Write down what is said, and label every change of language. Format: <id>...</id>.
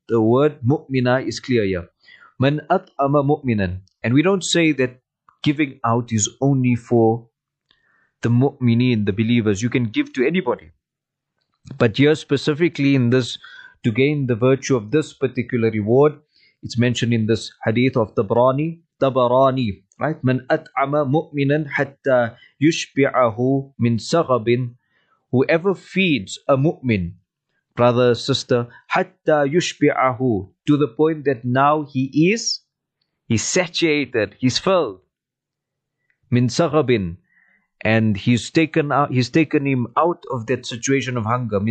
<en>The word mu'mina is clear here.</en> <ar>Man at'ama mu'minan.</ar> <en>And we don't say that giving out is only for the mu'mineen, the believers. You can give to anybody. But here specifically in this, to gain the virtue of this particular reward, it's mentioned in this hadith of Tabrani, Tabarani, right?</en> <ar>من أطعم مؤمنا حتى يشبعه من سغب.</ar> <en>Whoever feeds a mu'min, brother, sister,</en> <ar>حتى يشبعه,</ar> <en>to the point that now he's satiated, he's filled,</en> <ar>من سغب,</ar> <en>and he's taken him out of that situation of hunger.</en>